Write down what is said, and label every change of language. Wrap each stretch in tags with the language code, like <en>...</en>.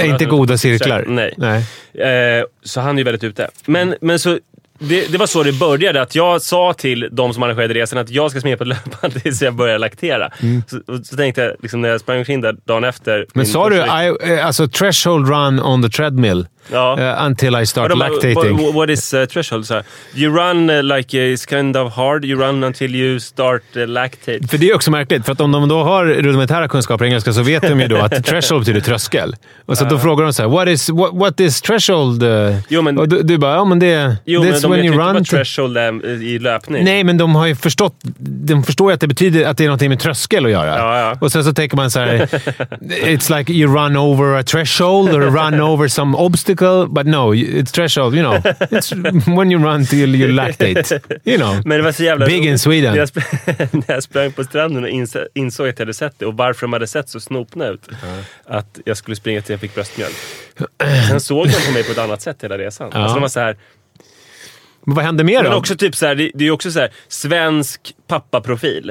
<sv>Nej, inte goda cirklar. Nej. Nej. Så han är ju väldigt ute. Men så... Det var så det började, att jag sa till de som arrangerade resan att jag ska smeka på ett löpande tills jag börjar laktera. Mm. Så tänkte jag, liksom, när jag sprang in där dagen efter... Men sa du, alltså,</sv> <en>threshold run on the treadmill,</en> <sv>ja.</sv> <en>Until I start lactating. What is threshold? So, you run like it's kind of hard, you run until you start lactate.</en> <sv>För det är också märkligt, för att om de då har rudimentära kunskaper i engelska så vet de ju då att threshold betyder tröskel. Och så då frågar de så här,</sv> <en>what is threshold?</en> <sv>Jo, men, och du bara, ja, men det... Jo, men de vet inte vad threshold är i löpning. Nej, men de har ju förstått... De förstår ju att det betyder att det är något med tröskel att göra. Ja, ja. Och sen så tänker man så här...</sv> <en>It's like you run over a threshold or run over some obstacle. But no, it's threshold, you know. It's when you run till you lactate. You know.</en> <sv>Men det var så jävla...</sv> <en>Big in Sweden.</en> <sv>När jag sprang på stranden och insåg att jag hade sett det. Och varför de hade sett så snopna ut. Att jag skulle springa till jag fick bröstmjölk. Sen såg de på mig på ett annat sätt hela resan. Ja. Alltså de var så här... Men vad hände mer då? Men också typ så här, det är ju också så här svensk pappaprofil.</sv>